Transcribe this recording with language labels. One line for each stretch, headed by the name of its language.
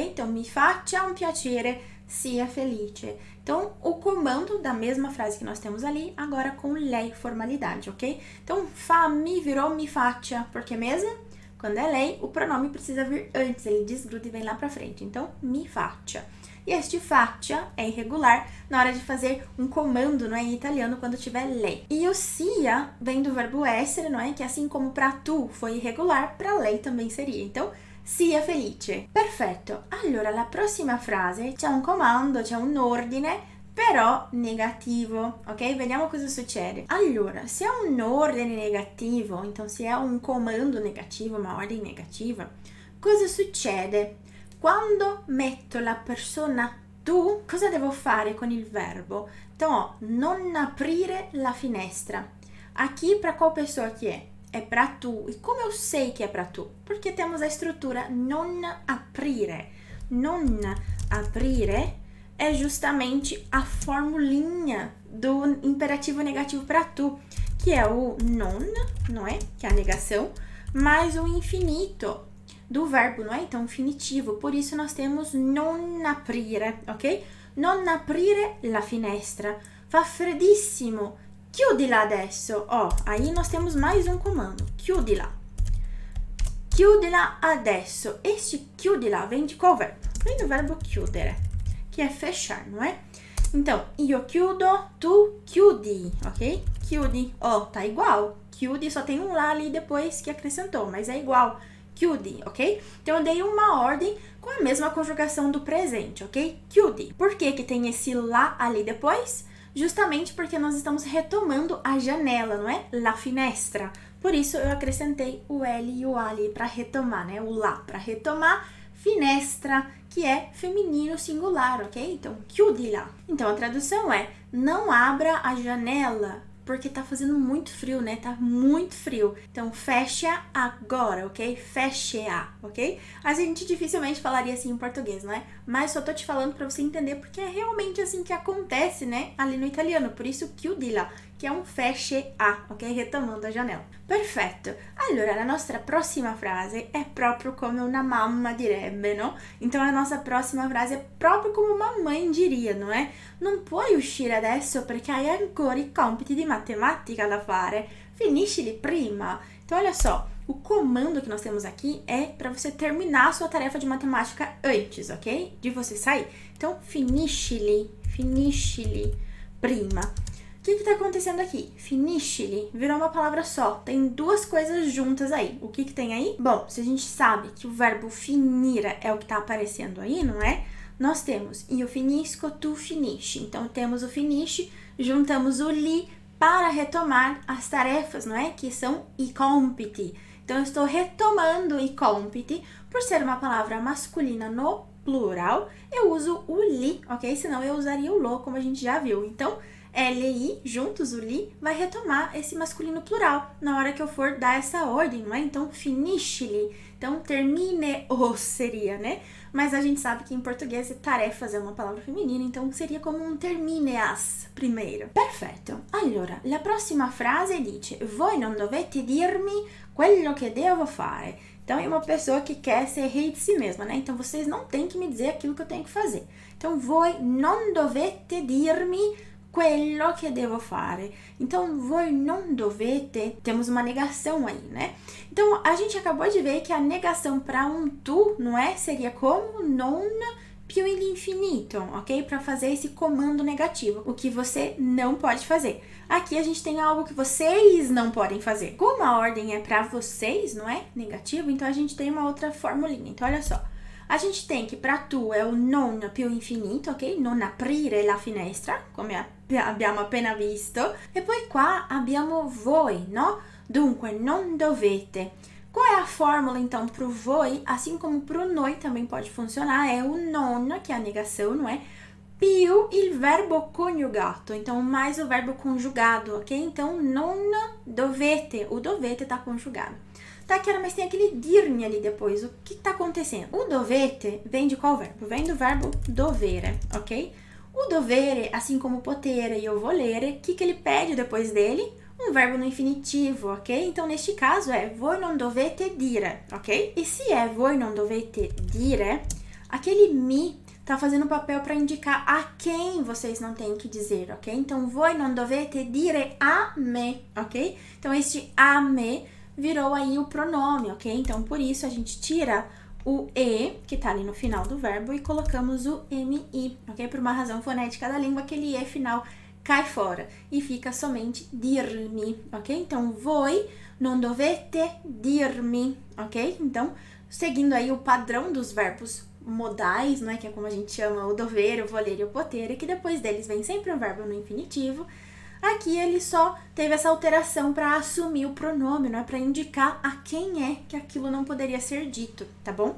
Italian: Então, mi faccia un piacere, sia felice.
Portuguese: Então, o comando da mesma frase que nós temos ali, agora com lei, formalidade, ok? Então, fammi virou
Italian: mi faccia,
Portuguese: porque mesmo quando é lei, o pronome precisa vir antes, ele desgruda e vem lá pra frente. Então, mi faccia. E este faccia é irregular na hora de fazer um comando, não é, em italiano, quando tiver lei. E o sia vem do verbo essere, não é? Que assim como pra tu foi irregular, pra lei também seria.
Italian: Então, sia felice. Perfetto. Allora, la prossima frase, c'è un comando, c'è un ordine, però negativo, ok? Vediamo cosa succede. Allora, se è un ordine negativo, então se è un comando negativo, una ordine negativa, cosa succede? Quando metto la persona tu, cosa devo fare con il verbo? Então, ó, non aprire la finestra.
Portuguese: Aqui, para qual pessoa que é? È para tu. E come eu sei que é para tu? Porque temos a estrutura
Italian: non aprire.
Portuguese: Non aprire é justamente a formulinha do imperativo negativo para tu, que é o non, não é? Que é a negação, mais o infinito do verbo, não é? Então, infinitivo. Por isso, nós temos non aprire, ok?
Italian: Non aprire la finestra. Fa freddissimo. Chiudila adesso.
Portuguese: Ó, aí nós temos mais um comando. Chiudila.
Italian: Chiudila adesso.
Portuguese: Este chiudila vem de qual verbo? Vem do verbo chiudere, que é fechar, não é? Então,
Italian: io chiudo, tu chiudi,
Portuguese: ok? Chiudi. Ó, tá igual. Chiudi, só tem um lá ali depois que acrescentou, mas é igual. Chiudi, ok? Então, eu dei uma ordem com a mesma conjugação do presente, ok? Chiudi. Por que que tem esse lá ali depois? Justamente porque nós estamos retomando a janela, não é? La finestra. Por isso, eu acrescentei o L e o A ali para retomar, né? O lá para retomar. Finestra, que é feminino singular, ok? Então,
Italian: chiudi lá.
Portuguese: Então, a tradução é, não abra a janela, porque tá fazendo muito frio, né? Tá muito frio. Então, fecha agora, ok? Fecha, ok? A gente dificilmente falaria assim em português, não é? Mas só tô te falando pra você entender, porque é realmente assim que acontece, né? Ali no italiano. Por isso,
Italian: chiudi lá,
Portuguese: que é um fecha, ok? Retomando a janela. Perfeito.
Italian: Allora,
Portuguese: a nossa próxima frase é
Italian: proprio come una mamma direbbe, no?
Portuguese: Então, a nossa próxima frase é
Italian: proprio come
Portuguese: uma mãe diria, não é?
Italian: Non puoi uscire adesso perché hai ancora i compiti di matematica da fare. Finiscili prima.
Portuguese: Então, olha só. O comando que nós temos aqui é para você terminar a sua tarefa de matemática antes, ok? De você sair. Então, finiscili.
Italian: Finiscili prima.
Portuguese: O que está acontecendo aqui? Finiscili virou uma palavra só. Tem duas coisas juntas aí. O que que tem aí? Bom, se a gente sabe que o verbo finire é o que está aparecendo aí, não é? Nós temos
Italian: io finisco, tu finisci.
Portuguese: Então, temos o finisci, juntamos o li para retomar as tarefas, não é? Que são
Italian: i compiti.
Portuguese: Então, eu estou retomando i compiti por ser uma palavra masculina no plural. Eu uso o li, ok? Senão, eu usaria o lo, como a gente já viu. Então, L-I, juntos, o li, vai retomar esse masculino plural na hora que eu for dar essa ordem, não é? Então, finiscili. Então, termine-o seria, né? Mas a gente sabe que em português, tarefas é uma palavra feminina, então seria como um termine-as primeiro. Perfeito.
Italian: Allora, la prossima frase dice, voi non dovete dirmi quello che devo fare.
Portuguese: Então, é uma pessoa que quer ser rei de si mesma, né? Então, vocês não têm que me dizer aquilo que eu tenho que fazer.
Italian: Então, voi non dovete dirmi quello che devo fare.
Portuguese: Então,
Italian: voi non dovete,
Portuguese: temos uma negação aí, né? Então, a gente acabou de ver que a negação para um tu, não é? Seria como
Italian: non più l'infinito,
Portuguese: ok? Para fazer esse comando negativo, o que você não pode fazer. Aqui a gente tem algo que vocês não podem fazer. Como a ordem é para vocês, não é? Negativo, então a gente tem uma outra formulinha. Então, olha só. A gente tem que para tu é o
Italian: non più infinito,
Portuguese: ok?
Italian: Non aprire la finestra, come abbiamo appena visto. E poi qua abbiamo voi, no? Dunque, non dovete.
Portuguese: Qual é a fórmula, então, pro voi, assim como pro noi também pode funcionar? É o non, que é a negação, não é?
Italian: Più il verbo coniugato,
Portuguese: então, mais o verbo conjugado, ok? Então,
Italian: non dovete,
Portuguese: o dovete tá conjugado. Tá, Chiara, mas tem aquele dirmi ali depois. O que tá acontecendo? O dovete vem de qual verbo? Vem do verbo dovere, ok? O dovere, assim como potere e o volere, o que, que ele pede depois dele? Um verbo no infinitivo, ok? Então, neste caso, é
Italian: voi non dovete dire,
Portuguese: ok? E se é
Italian: voi non dovete dire,
Portuguese: aquele mi tá fazendo papel para indicar a quem vocês não têm que dizer, ok? Então,
Italian: voi non dovete dire a me,
Portuguese: ok? Então, este
Italian: a me
Portuguese: virou aí o pronome, ok? Então, por isso, a gente tira o E, que tá ali no final do verbo, e colocamos o MI, ok? Por uma razão fonética da língua, aquele E final cai fora e fica somente dirmi, ok? Então,
Italian: voi non dovete dirmi,
Portuguese: ok? Então, seguindo aí o padrão dos verbos modais, né, que é como a gente chama o dover, o voler e o poter, que depois deles vem sempre um verbo no infinitivo, aqui ele só teve essa alteração para assumir o pronome, não é? Para indicar a quem é que aquilo não poderia ser dito, tá bom?